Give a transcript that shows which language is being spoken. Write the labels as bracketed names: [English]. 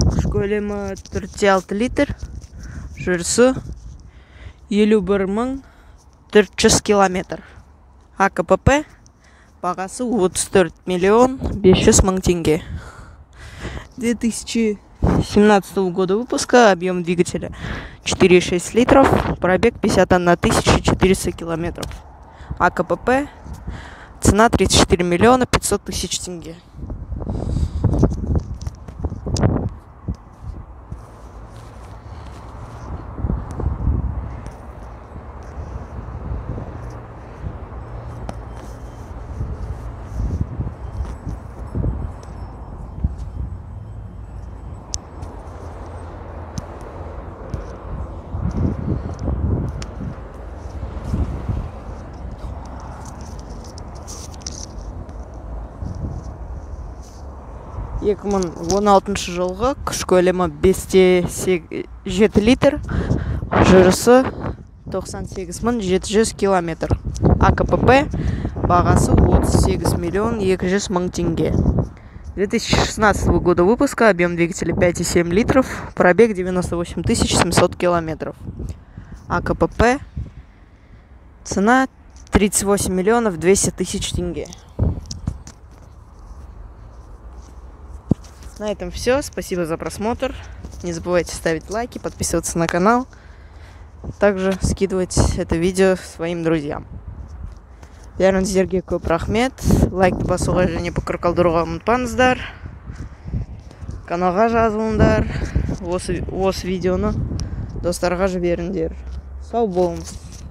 [Kazakh] Көлемі 4,6 литр, жүрісі 51,400 километр. АКПП бағасы 34 миллион 500 мың тенге. [Russian] 2017 года выпуска, объем двигателя 4,6 литров, пробег 51,400 километров. АКПП, цена 34 миллиона 500 тысяч тенге. [Kazakh] Екі мың 16 жылғы күш көлемі 5,7 литр, жүрісі 98,700 километр. АКПП бағасы 38 миллион 200 мың тенге. [Russian] 2016 года выпуска, объем двигателя 5,7 литров, пробег 98,700 километров. АКПП, цена 38 миллионов 200 тысяч тенге. На этом все. Спасибо за просмотр. Не забывайте ставить лайки, подписываться на канал. Также скидывать это видео своим друзьям. [Kazakh] Бәрін сіздерге көп рахмет. Лайкты басуға және пікір қалдыруға ұмытпаңыздар. Каналға жазылыңдар. Осы видеоны достарға жіберіңдер. Сау болыңыз.